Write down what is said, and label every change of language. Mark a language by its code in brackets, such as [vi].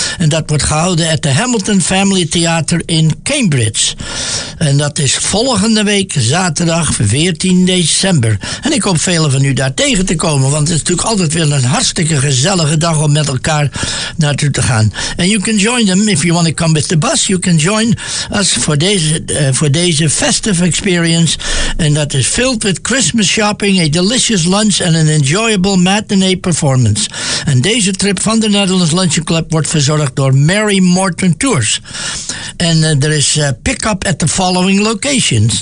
[nl] En dat wordt gehouden [en] at the [nl] Hamilton Family Theater in Cambridge. En dat is volgende week, zaterdag 14 december. En ik hoop velen van u daar tegen te komen. Want het is natuurlijk altijd weer een hartstikke gezellige dag om met elkaar naartoe te gaan. [en] And you can join them if you want to come with the bus. You can join us for [nl] deze [en] festive experience. And that is filled with Christmas shopping, a delicious lunch and an enjoyable matinee performance. [nl] En deze trip van de Netherlands Luncheon Club wordt verzorgd door Mary Morton Tours. En er is pick-up [en] at the following locations.